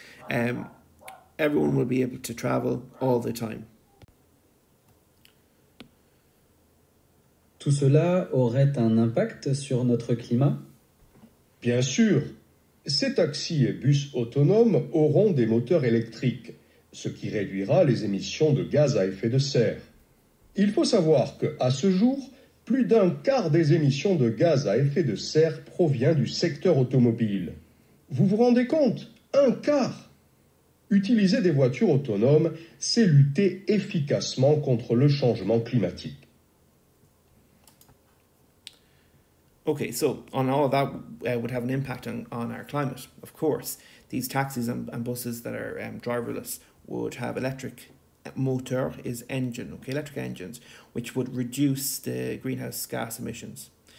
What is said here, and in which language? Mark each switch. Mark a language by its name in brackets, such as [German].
[English] Everyone will be able to travel all the time. [French] Tout cela aurait un impact sur notre climat? Bien sûr. Ces taxis et bus autonomes auront des moteurs électriques, ce qui réduira les émissions de gaz à effet de serre. Il faut savoir que, à ce jour, plus d'un quart des émissions de gaz à effet de serre provient du secteur automobile. Vous vous rendez compte? Un quart! Utiliser des voitures autonomes, c'est lutter efficacement contre le changement climatique. [English] Okay, so on all of that would have an impact on our climate, of course. These taxis and buses that are driverless would have electric motor, is engine, okay, electric engines, which would reduce the greenhouse gas emissions.